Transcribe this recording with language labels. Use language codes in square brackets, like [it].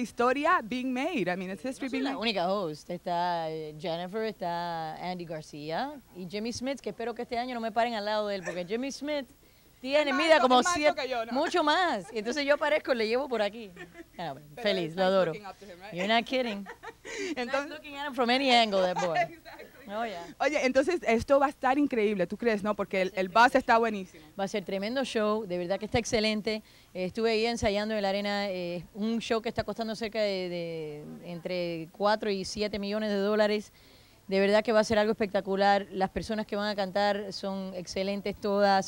[en] Historia being made. I mean, it's history being made. [es] No soy la única host. Está Jennifer, está Andy García y Jimmy Smith, que espero que este año no me paren al lado de él, porque Jimmy Smith tiene, mira, como más siete, yo, ¿no? Mucho más. Y entonces yo aparezco, le llevo por aquí. Yeah, feliz, lo adoro. [en] Him, you're not kidding. Entonces, nice looking at him from any angle, that boy. Oh, yeah. [es] Oye, entonces esto va a estar increíble, ¿tú crees, no? Porque el buzz está buenísimo. Va a ser tremendo show, de verdad que está excelente. Estuve ahí ensayando en la arena, un show que está costando cerca de entre 4 y 7 millones de dólares. De verdad que va a ser algo espectacular. Las personas que van a cantar son excelentes todas.